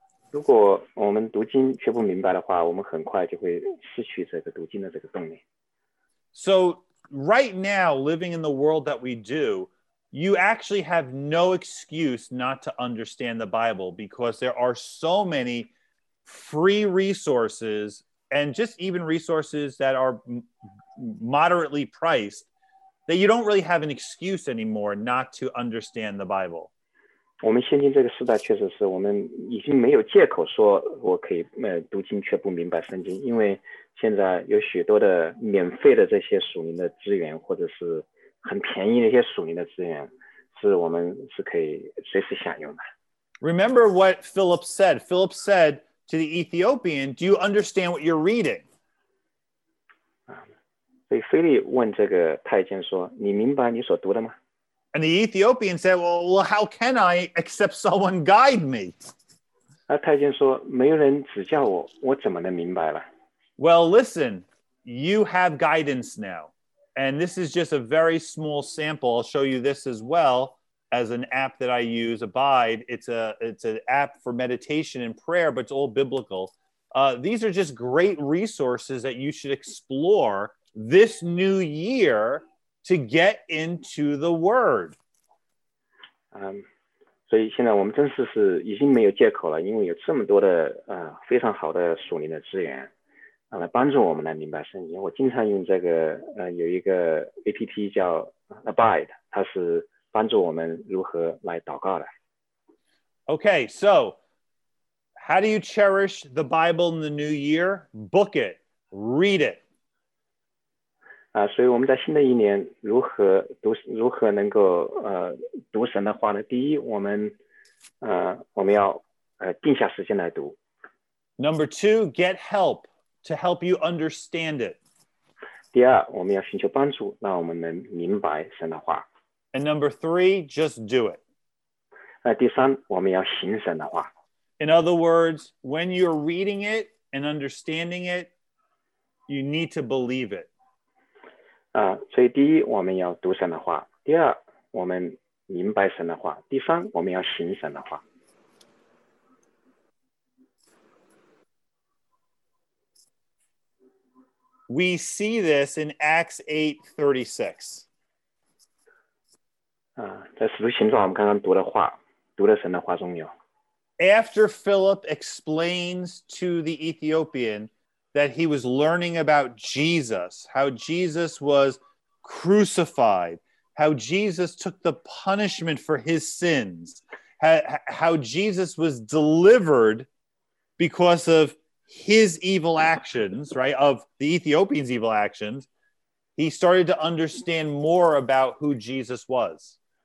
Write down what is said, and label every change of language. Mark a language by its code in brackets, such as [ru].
[zh] 如果我们读经却不明白的话，我们很快就会失去这个读经的这个动力。 [en] So,Right now, living in the world that we do, you actually have no excuse not to understand the Bible because there are so many free resources and just even resources that are moderately priced that you don't really have an excuse anymore not to understand the Bible. [zh] 我们现今这个时代确实是我们已经没有借口说我可以读经却不明白圣经，因为现在有许多的免费的这些属灵的资源，或者是很便宜的一些属灵的资源，是我们是可以随时享用的。 [en] Remember what Philip said. Philip said to the Ethiopian, "Do you understand what you're reading?" [zh] 所以腓力问这个太监说：“你明白你所读的吗？” [en] And the Ethiopian said, "Well, how can I except someone guide me?" [zh] 那太监说：“没有人指教我，我怎么能明白了？” [en] Well, listen, you have guidance now. And this is just a very small sample. I'll show you this as well as an app that I use, Abide. It's an app for meditation and prayer, but it's all biblical. These are just great resources that you should explore this new year to get into the Word. [zh] 所以现在我们真是已经没有借口了，因为有这么多的非常好的属灵的资源。来帮助我们来明白圣经。我经常用这个有一个 APP 叫 Abide， 它是帮助我们如何来祷告的。 [en] Okay, so how do you cherish the Bible in the new year? Book it, read it. [zh] 所以我们在新的一年如何能够读神的话呢？第一，我们要定下时间来读。 [en] Number two, get help to help you understand it. [zh] 第二，我们要寻求帮助，让我们能明白神的话。 [en] And number three, just do it. [zh] 第三，我们要行神的话。 [en] In other words, when you're reading it and understanding it, you need to believe it. [zh] 所以第一，我们要读神的话；第二，我们明白神的话；第三，我们要行神的话。 [en] We see this in Acts 8:36. [zh] 在使徒行传我们刚刚读的话，读的神的话中有。 [en] After Philip explains to the Ethiopian that he was learning about Jesus, how Jesus was crucified, how Jesus took the punishment for his sins, how Jesus was delivered because of his evil actions, right, of the Ethiopian's evil actions, he started to understand more about who Jesus was.